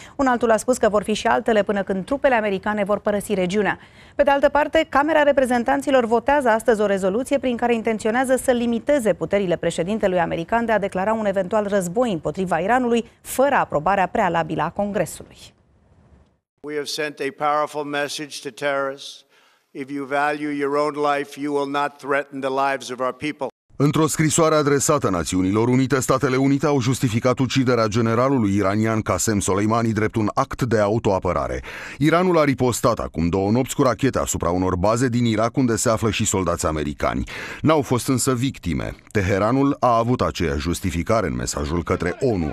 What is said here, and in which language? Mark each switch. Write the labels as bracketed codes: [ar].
[ro] Un altul a spus că vor fi și altele până când trupele americane vor părăsi regiunea. Pe de altă parte, Camera Reprezentanților votează astăzi o rezoluție prin care intenționează să limiteze puterile președintelui american de a declara un eventual război împotriva Iranului fără aprobarea prealabilă a Congresului. [en] We have sent a powerful message to terrorists. If you value your own life, you will not threaten the lives of our people. [ro] Într-o scrisoare adresată Națiunilor Unite, Statele Unite au justificat uciderea generalului iranian Qasem Soleimani drept un act de autoapărare. Iranul a ripostat acum două nopți cu rachete asupra unor baze din Irak unde se află și soldați americani. N-au fost însă victime. Teheranul a avut aceeași justificare în mesajul către ONU.